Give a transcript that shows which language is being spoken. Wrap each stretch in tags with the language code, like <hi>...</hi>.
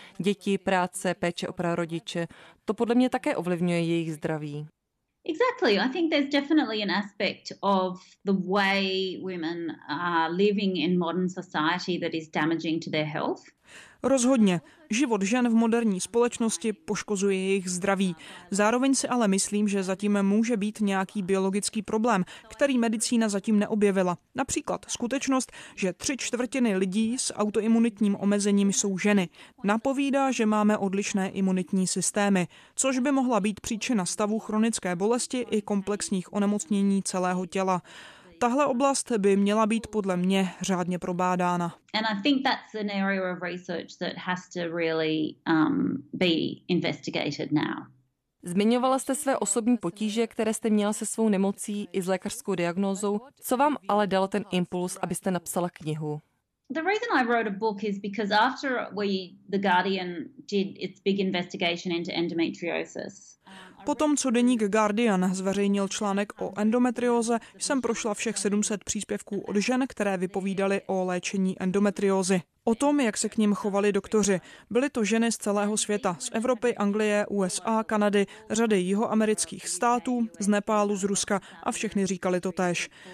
<cs>Děti, práce, péče o prarodiče, to podle mě také ovlivňuje jejich zdraví.</cs> <en>Exactly. I think there's definitely an aspect of the way women are living in modern society that is damaging to their health.</en> <cs>Rozhodně. Život žen v moderní společnosti poškozuje jejich zdraví. Zároveň si ale myslím, že zatím může být nějaký biologický problém, který medicína zatím neobjevila. Například skutečnost, že 3/4 lidí s autoimunitním omezením jsou ženy. Napovídá, že máme odlišné imunitní systémy, což by mohla být příčina stavu chronické bolesti i komplexních onemocnění celého těla. tahle oblast by měla být podle mě řádně probádána.</cs> <en>And I think that's an area of research that has to really be investigated now.</en> <cs>Zmiňovala jste své osobní potíže, které jste měla se svou nemocí i s lékařskou diagnózou. Co vám ale dalo ten impuls, abyste napsala knihu?</cs> <en>The reason I wrote a book is because after we, The Guardian, did its big investigation into endometriosis.</en> <cs>Potom, co deník Guardian zveřejnil článek o endometrióze, jsem prošla všech 700 příspěvků od žen, které vypovídaly o léčení endometriózy. O tom, jak se k ním chovali doktoři. Byly to ženy z celého světa, z Evropy, Anglie, USA, Kanady, řady jihoamerických států, z Nepálu, z Ruska a všechny říkali to též.</cs>